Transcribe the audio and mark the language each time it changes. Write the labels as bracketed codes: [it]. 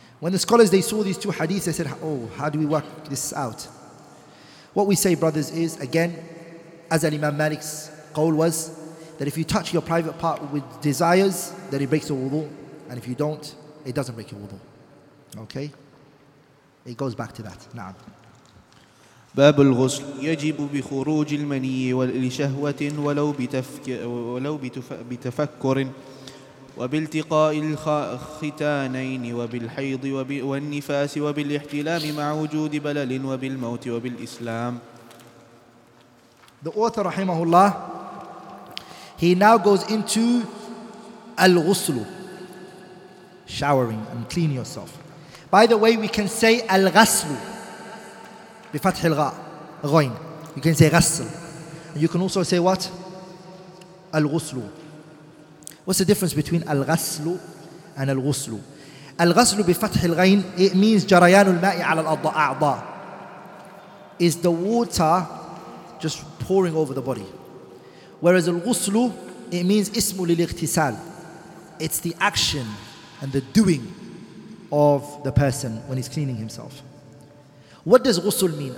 [en] When the scholars, they saw these two hadiths, they said, oh, how do we work this out? What we say, brothers, is, again, as an Imam Malik's qawl was that if you touch your private part with desires, then it breaks your wudu. And if you don't, it doesn't break your wudu. Okay? It goes back to that. Na'am. [ar] باب الغسل يجب بخروج المني ولشهوة ولو بتفكر وبالتقاء الختانين وبالحيض والنفاس وبالاحتلام مع وجود بلل وبالموت وبالإسلام. [en] The author, rahimahullah, he now goes into al-ghusl, showering and cleaning yourself. By the way, we can say al-ghasl [ar] بفتح الغاء غين. [en] You can say ghasl. You can also say what? Al-ghusl. What's the difference between al-ghasl and al-ghusl? Al-ghasl [ar] بفتح الغين, [en] it means [ar] جريان الماء على الأعضاء. [en] Is the water just pouring over the body? Whereas al-ghusl, it means [ar] ismu lil-ightisal. [en] It's the action and the doing of the person when he's cleaning himself. What does ghusl mean?